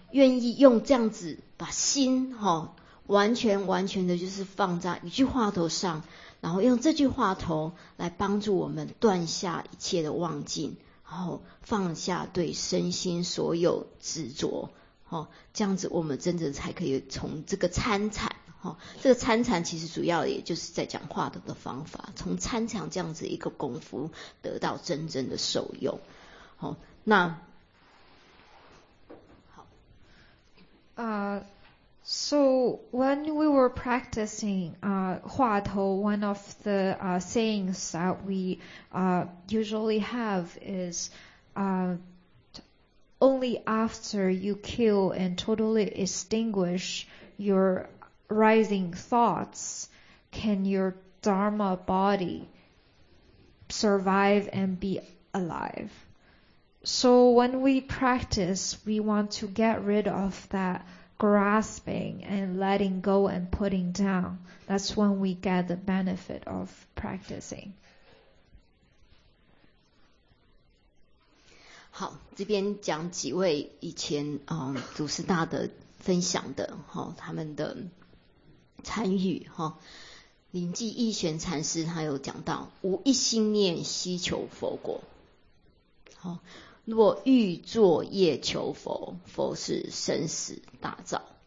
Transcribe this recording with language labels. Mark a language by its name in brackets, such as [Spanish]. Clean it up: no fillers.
[Chinese] 愿意用这样子把心，哈，完全的就是放在一句话头上，然后用这句话头来帮助我们断下一切的妄境，然后放下对身心所有执着，这样子我们真正才可以从这个参禅，这个参禅其实主要也就是在讲话头的方法，从参禅这样子一个功夫得到真正的受用。那 [English] 好，So when we were practicing Hua Tou, one of the sayings that we usually have is only after you kill and totally extinguish your rising thoughts can your Dharma body survive and be alive. So when we practice, we want to get rid of that grasping and letting go and putting down. That's when we get the benefit of practicing. [Chinese] 好，这边讲几位以前祖师大德分享的他们的参与临济义玄禅师他有讲到无一心念希求佛果若欲作业求佛，佛是生死大造。